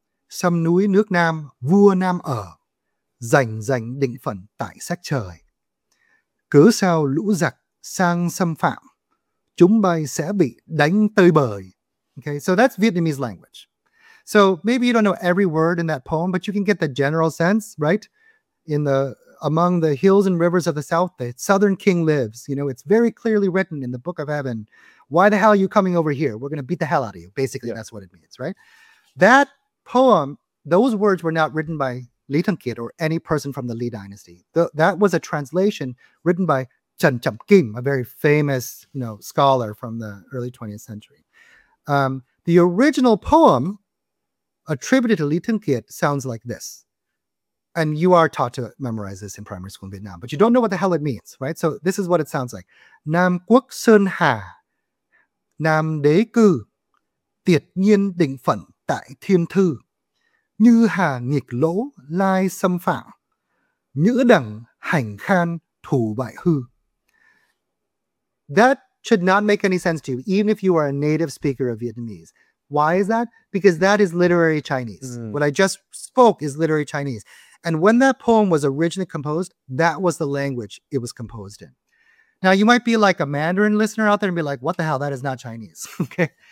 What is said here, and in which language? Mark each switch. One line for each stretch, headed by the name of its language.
Vietnamese: Sông núi nước Nam, vua Nam ở. Dành dành định phận tại sắc trời. Cớ sao lũ giặc sang xâm phạm, chúng bay sẽ bị đánh tơi bời.
English: Okay, so that's Vietnamese language. So maybe you don't know every word in that poem, but you can get the general sense, right? In the among the hills and rivers of the south, the southern king lives. You know, it's very clearly written in the Book of Heaven. Why the hell are you coming over here? We're going to beat the hell out of you. Basically, yeah. That's what it means, right? That poem, those words were not written by Lý Thường Kiệt or any person from the Lý dynasty. That was a translation written by Trần Trọng Kim, a very famous, you know, scholar from the early 20th century. The original poem attributed to Lý Thường Kiệt sounds like this. And you are taught to memorize this in primary school in Vietnam, but you don't know what the hell it means, right? So this is what it sounds like.
Literary Chinese: Nam Quốc Sơn Hà, Nam Đế Cư, Tiệt Nhiên Định Phận Tại Thiên Thư. Như hà nghịch lỗ lai xâm phạm, nhữ đẳng hành khan thủ bại hư.
English: That should not make any sense to you, even if you are a native speaker of Vietnamese. Why is that? Because that is literary Chinese. Mm. What I just spoke is literary Chinese. And when that poem was originally composed, that was the language it was composed in. Now, you might be like a Mandarin listener out there and be like, what the hell? That is not Chinese. Okay.